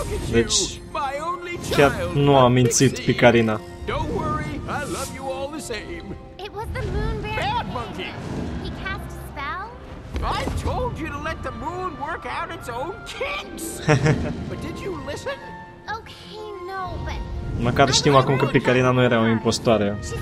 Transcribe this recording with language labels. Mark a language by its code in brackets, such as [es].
[ro] Deci, chiar nu a mințit Picarina. [en] Don't worry, I love you all the same. It was the moon bear. Bad monkey. He cast a spell. I told you to let the moon work out its own kinks. But did you listen? Okay, no, but. [ro] Măcar știm acum că Picarina nu era o impostoare.